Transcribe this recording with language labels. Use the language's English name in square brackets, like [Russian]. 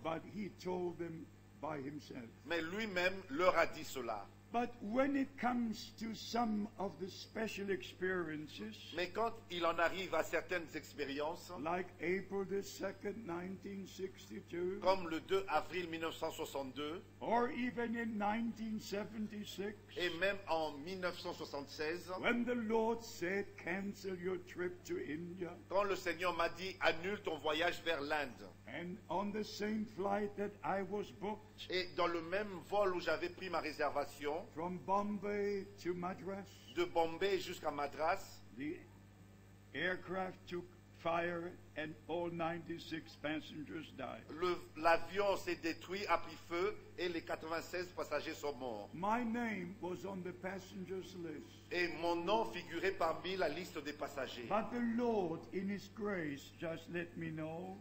[English] But he told them by himself. [French] Mais lui-même leur a dit cela. [English] But when it comes to some of the special experiences, [French] mais quand il en arrive à certaines expériences, [English] like April the 2nd, 1962, [French] comme le 2 avril 1962, [English] or even in 1976, [French] et même en 1976, [English] when the Lord said, "Cancel your trip to India," [French] quand le Seigneur m'a dit, annule ton voyage vers l'Inde, [English] and on the same flight that I was booked, [French] et dans le même vol où j'avais pris ma réservation, [English] from Bombay to Madras, [French] de Bombay jusqu'à Madras, [English] the aircraft took fire and all 96 passengers died. [French] L'avion s'est détruit, a pris feu et les 96 passagers sont morts. [English] My name was on the passengers list. [French] Et mon nom figurait parmi la liste des passagers. [English] But the Lord, in His grace, just let me know.